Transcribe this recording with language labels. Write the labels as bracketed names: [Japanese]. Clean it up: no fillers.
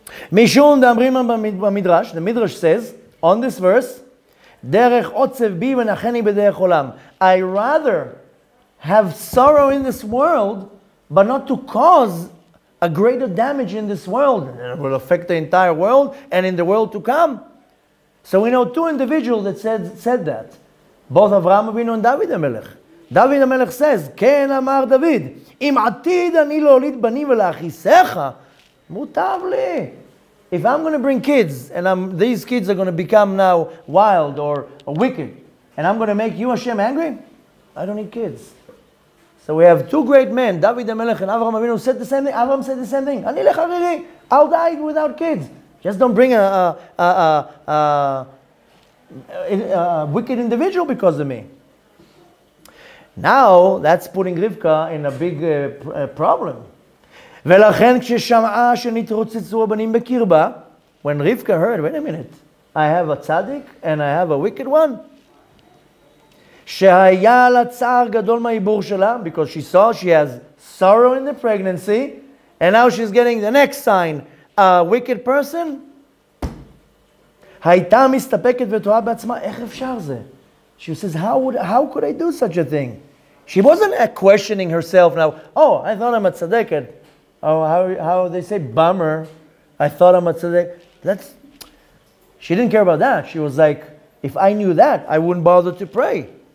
[English] The Midrash says, on this verse, I'd rather have sorrow in this world, but not to cause a greater damage in this world, and it will affect the entire world and in the world to come. So we know two individuals that said that. Both Avraham Avinu and David HaMelech. [Hebrew] David HaMelech says, כן אמר דוד, אם עתיד אני להוליד בנים ולהכיסך, מוטב לי. [English] If I'm going to bring kids, and I'm, these kids are going to become now wild or wicked, and I'm going to make you Hashem angry, I don't need kids. So we have two great men, David HaMelech and Avraham Avinu, said the same thing. Avraham said the same thing. [Hebrew] Ani lecharei, [English] I'll die without kids. Just don't bring a wicked individual because of me. Now, that's putting Rivka in a big problem. [Hebrew] ולכן כששמעה שנתרוצצו הבנים בקרבה, [English] when Rivka heard, wait a minute, I have a tzaddik and I have a wicked one. [Hebrew] שהיה לה צער גדול מהעיבור שלה, [English] because she saw she has sorrow in the pregnancy, and now she's getting the next sign, a wicked person. [Hebrew] הייתה מסתפקת ותוהה בעצמה, איך אפשר זה? [English] She says, how could I do such a thing? She wasn't questioning herself now. Oh, I thought I'm a tzaddiket. Oh, how they say, bummer. I thought I'm a tzaddiket. That's, she didn't care about that. She was like, if I knew that, I wouldn't bother to pray.